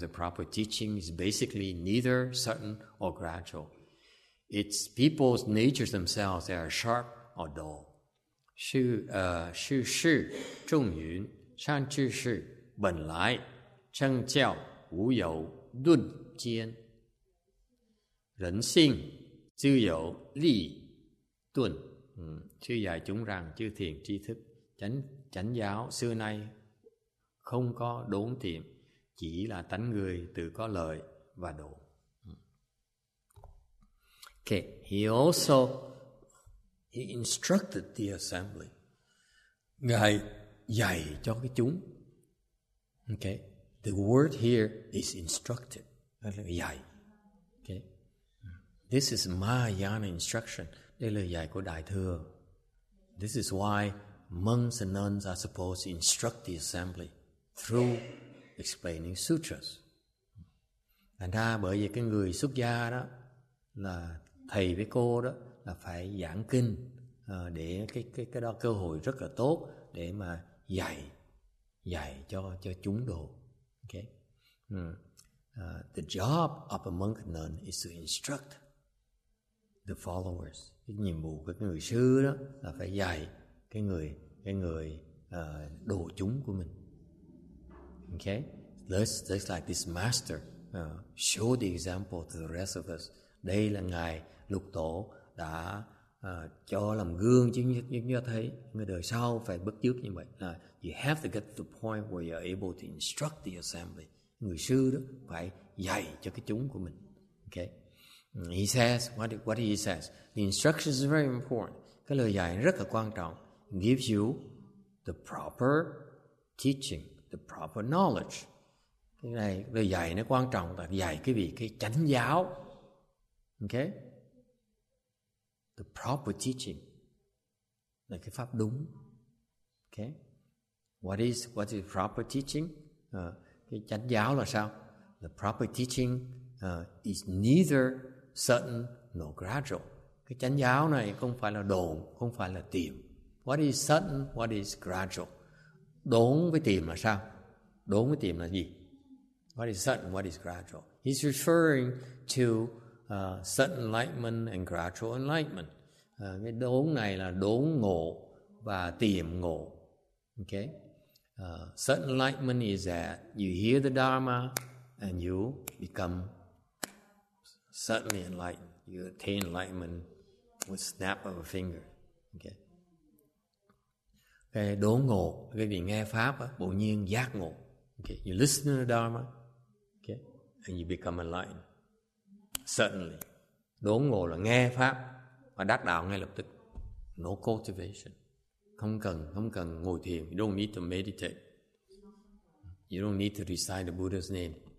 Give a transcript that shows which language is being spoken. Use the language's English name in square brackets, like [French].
[English] The proper teaching is basically neither certain or gradual. It's people's natures themselves. They are sharp or dull. [Chinese] 叙事众云, 上知事, 本来, 正教, 无有, 顿间, 人性, 自有, 利, 顿, [Vietnamese] chư dạy chúng rằng chư thiền tri thức chánh giáo xưa nay không có đốn tiệm, chỉ là tánh người tự có lợi và độ. [English] Okay, he also instructed the assembly. [Vietnamese] Ngài dạy cho cái chúng. [English] Okay, the word here is instructed. [Vietnamese] Đây là dạy. [English] Okay, this is Mahayana instruction. [Vietnamese] Đây là dạy của Đại Thừa. [English] This is why monks and nuns are supposed to instruct the assembly through explaining sutras. [Vietnamese] Thành ra bởi vì cái người xuất gia đó là thầy với cô đó là phải giảng kinh, để cái đó cơ hội rất là tốt để mà dạy cho chúng đồ. [English] Okay. The job of a monk and nun is to instruct the followers. [Vietnamese] Cái nhiệm vụ của cái người sư đó là phải dạy cái người đồ chúng của mình. [English] Okay, just like this master show the example to the rest of us. [Vietnamese] Đây là Ngài Lục Tổ đã cho làm gương chứ, nhưng như thấy người đời sau phải bước trước như vậy. [English] You have to get to the point where you're able to instruct the assembly. [Vietnamese] Người sư đó phải dạy cho cái chúng của mình. [English] Okay. He says, what he says, the instructions are very important. [Vietnamese] Cái lời dạy rất là quan trọng. [English] Gives you the proper teaching, the proper knowledge. [Vietnamese] Cái này, lời dạy nó quan trọng là dạy cái vị cái chánh giáo. Okay? [English] The proper teaching [Vietnamese] là cái pháp đúng. [English] Okay? What is proper teaching? [Vietnamese] Cái chánh giáo là sao? [English] The proper teaching is neither certain nor gradual. [Vietnamese] Cái chánh giáo này không phải là đồn, không phải là tiệm. [English] What is certain, what is gradual? [Vietnamese] Đốn với tiệm là sao? Đốn với tiệm là gì? [English] What is certain, what is gradual? He's referring to certain enlightenment and gradual enlightenment. [Vietnamese] Cái đốn này là đốn ngộ và tiệm ngộ. [English] Okay? Certain enlightenment is that you hear the Dharma and you become suddenly enlightened. You attain enlightenment with snap of a finger. Okay. [Vietnamese] Cái đốn ngộ, cái vị nghe pháp á, bỗng nhiên giác ngộ. [English] Okay. You listen to the Dharma, okay, and you become enlightened. Suddenly. [Vietnamese] Đốn ngộ là nghe pháp, mà đắc đạo ngay lập tức. [English] No cultivation. [Vietnamese] Không cần ngồi thiền. [English] You don't need to meditate. You don't need to recite the Buddha's name.